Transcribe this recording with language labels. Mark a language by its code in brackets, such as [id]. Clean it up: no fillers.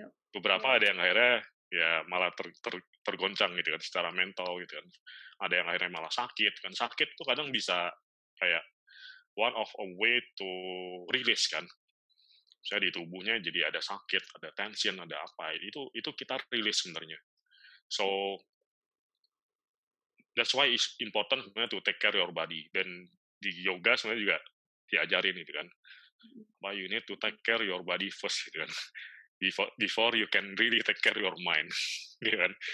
[id] Beberapa ada yang akhirnya ya malah tergoncang gitu kan, secara mental gitu kan. Ada yang akhirnya malah sakit kan. Sakit tuh kadang bisa kayak [en] one of a way to release [id] kan. Misalnya di tubuhnya jadi ada sakit, ada tension, ada apa. Itu kita release sebenarnya. [en] So, that's why it's important sebenarnya to take care of your body. [id] Dan di yoga sebenarnya juga diajarin gitu kan. [en] But you need to take care of your body first [id] gitu kan. [en] Before you can really take care your mind, yeah, kan?